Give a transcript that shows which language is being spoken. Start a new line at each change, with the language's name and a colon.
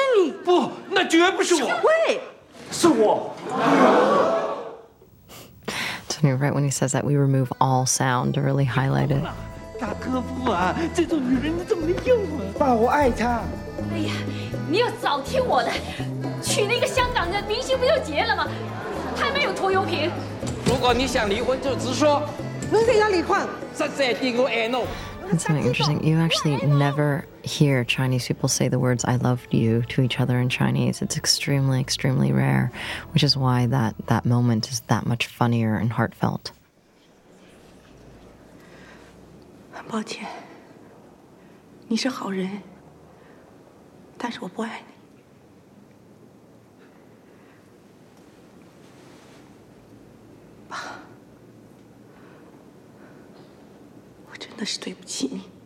Chinese: 不能嫁给他，嫁给你爱的人。小薇，什么？你不爱我？他当然爱你了。说，你爱他？不，他不爱他，爱的是他。这是天大的误会！不是我，不是我，这不是我，就是你。不，那绝不是我。小薇，是我。
English: Right when he says that, we remove all sound to really highlight it.
Chinese: 大哥夫啊，这种女人你怎么能用啊？爸，我爱她。哎呀，你要早听我的，娶那个香港的明星不就结了吗？还没有拖油瓶。如果你想离婚，就直说。那谁要离婚？三姐，你我爱侬。
English: That's very interesting. You actually never hear Chinese people say the words "I loved you" to each other in Chinese. It's extremely, extremely rare, which is why that moment is that much funnier and heartfelt.
Chinese: 抱歉，你是好人，但是我不爱你，爸，我真的是对不起你。